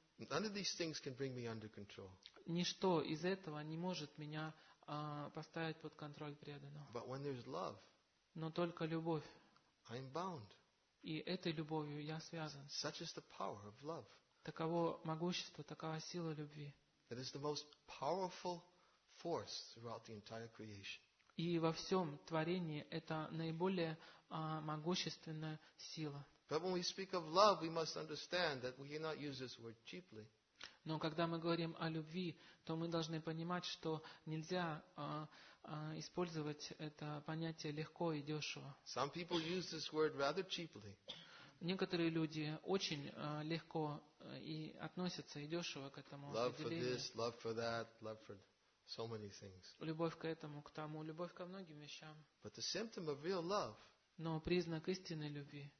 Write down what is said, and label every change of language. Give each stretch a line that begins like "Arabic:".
Russian: Ничто из этого не может меня поставить под контроль преданного. Но только любовь. И этой любовью я связан.
English: Such is the power of love.
Russian: Таково могущество, такова сила любви.
English: It is the most powerful force throughout the entire creation.
Russian: И во всем творении это наиболее могущественная сила.
English: But when we speak of love, we must understand that we cannot use this word cheaply.
Russian: Но когда мы говорим о любви, то мы должны понимать, что нельзя использовать это понятие легко и дешево.
English: Some people use this word rather cheaply.
Russian: Некоторые люди очень легко и относятся и дешево к этому определению.
English: Love for this, love for that, love for so many things.
Russian: Любовь к этому, к тому, любовь ко многим вещам.
English: But the symptom of real love.
Russian: Но признак истинной любви.